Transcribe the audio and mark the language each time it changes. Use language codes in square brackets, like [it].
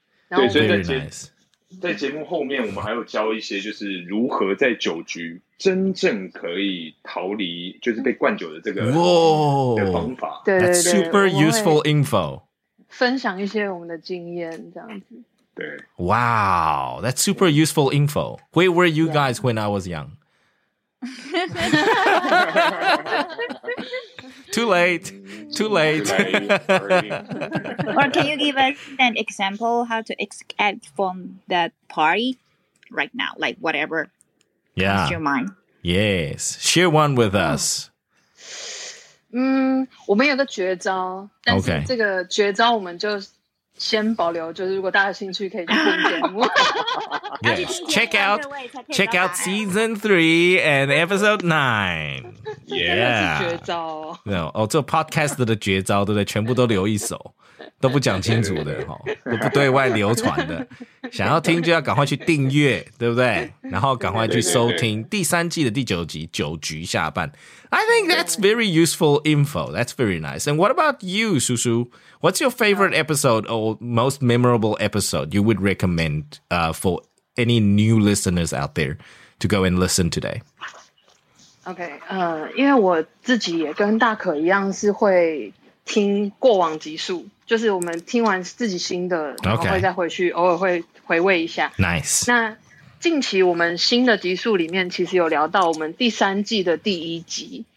[zh] 对，所以在节目后面，我们还有教一些就是如何在酒局真正可以逃离，就是被灌酒的这个的方法。对对对 [en] ，That's super useful info。 [zh] 分享一些我们的经验，这样子。对 [en] ，Wow， that's super useful info. Where were you guys when I was young? Too late. Too late. Or can you give us an example how to escape from that party right now? Like whatever yeah. comes to your mind. Yes. Share one with us. [zh] 我们有个绝招，但是这个绝招我们就先保留，就是如果大家有兴趣可以去听节目。 [en] Yes. Check out season 3 and episode 9. Yeah. [zh] 绝招哦。哦，这 podcast 的绝招，对不对？全部都留一手，都不讲清楚的，哦，都不对外流传的。想要听就要赶快去订阅，对不对？然后赶快去收听第三季的第九集《酒局下半》。 [en] I think that's very useful info. That's very nice. And what about you, 叔叔？ What's your favorite episode or most memorable episode you would recommend for any new listeners out there to go and listen today? [zh] Okay, 因为我自己也跟大可一样是会听过往集数，就是我们听完自己新的，然后会再回去， [en] okay. [zh] 偶尔会回味一下。 [en] Nice. [zh] 那近期我们新的集数里面，其实有聊到我们第三季的第一集。